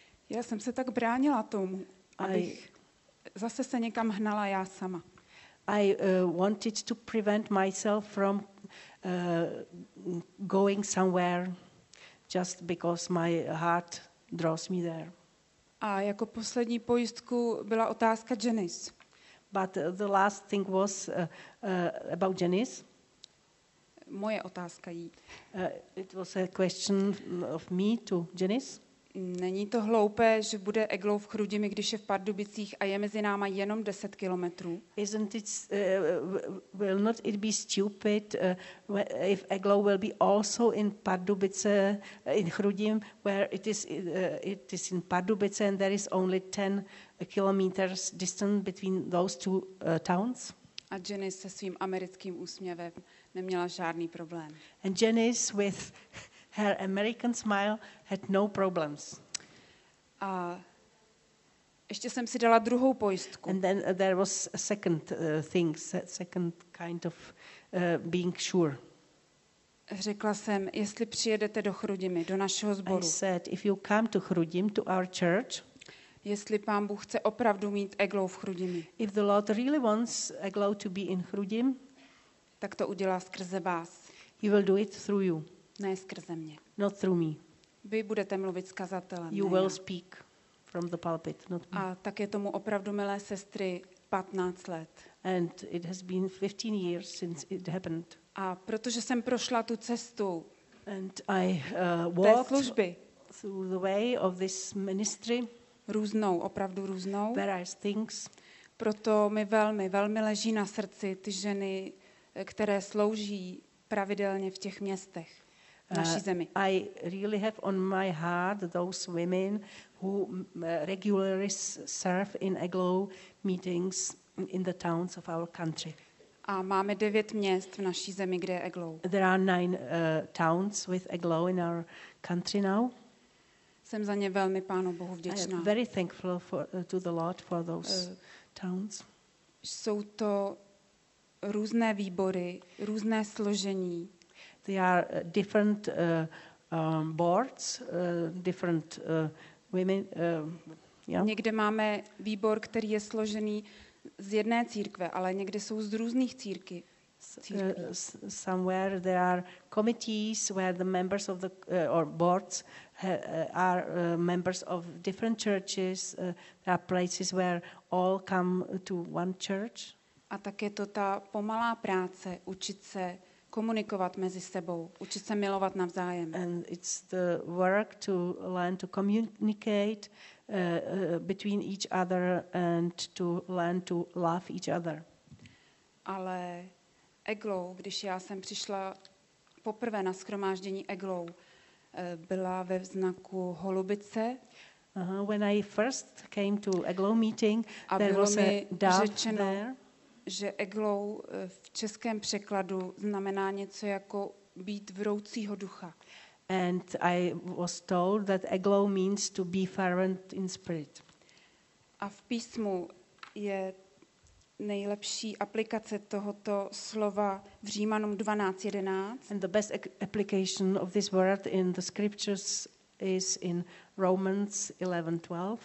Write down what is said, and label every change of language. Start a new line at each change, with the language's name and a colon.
Czech: Já jsem se tak bránila tomu, abych zase se někam hnala já sama.
English: I wanted to prevent myself from going somewhere just because my heart draws me there.
Czech: A jako poslední pojistku byla otázka Janice.
English: But the last thing was about Janice.
Czech: Moje otázka jí.
English: It was a question of me to Janice.
Czech: Není to hloupé, že bude Eglou v Chrudimi, když je v Pardubicích a je mezi náma jenom 10 kilometrů?
English: Isn't it will not it be stupid if Eglou will be also in Pardubice in Chrudim where it is in Pardubice and there is only 10 kilometers distance between those two towns?
Czech: A Jenny se svým americkým úsměvem neměla žádný problém.
English: And Jenny with her American smile had no problems.
Czech: A ještě jsem si dala druhou pojistku.
English: And then there was a second thing, second kind of being sure.
Czech: Řekla jsem, jestli přijedete do Chrudimi, do našeho sboru.
English: I said, if you come to Chrudim, to our church.
Czech: Jestli Pán Bůh chce opravdu mít Eglou v Chrudimi.
English: If the Lord really wants Eglou to be in Chrudim.
Czech: Tak to udělá skrze vás.
English: He will do it through you.
Czech: Ne skrze mě.
English: Not through me.
Czech: Vy budete mluvit s kazatelem.
English: You will speak from the pulpit, not me.
Czech: A tak je tomu opravdu, milé sestry, 15 let.
English: And it has been 15 years since it happened.
Czech: A protože jsem prošla tu cestu.
English: And I walked
Czech: té služby,
English: through the way of this ministry.
Czech: Různou, opravdu různou.
English: Various things.
Czech: Proto mi velmi, velmi leží na srdci ty ženy, které slouží pravidelně v těch městech.
English: I really have on my heart those women who regularly serve in Eglou meetings in the towns of our country.
Czech: A máme 9 měst v naší zemi, kde je Eglou.
English: There are 9 towns with Eglou in our country now.
Czech: Jsem za ně velmi Pánu Bohu vděčná.
English: I am very thankful to the Lord for those towns.
Czech: Jsou to různé výbory, různé složení.
English: They are different boards, different women.
Czech: Někde máme výbor, který je složený z jedné církve, ale někde jsou z různých církví.
English: Somewhere there are committees where the members of the or boards are members of different churches. There are places where all come to one church.
Czech: A tak je to ta pomalá práce, učit se komunikovat mezi sebou, učit se milovat navzájem.
English: And it's the work to learn to communicate between each other and to learn to love each other.
Czech: Ale Eglou, když já jsem přišla poprvé na shromáždění Eglou, byla ve znaku holubice.
English: When I first came to Eglou meeting, there was a dove there.
Czech: Že Eglou v českém překladu znamená něco jako být vroucího ducha.
English: And I was told that Eglou means to be fervent in spirit.
Czech: A v písmu je nejlepší aplikace tohoto slova v Římanům 12:11.
English: And the best application of this word in the scriptures is in Romans 11:12.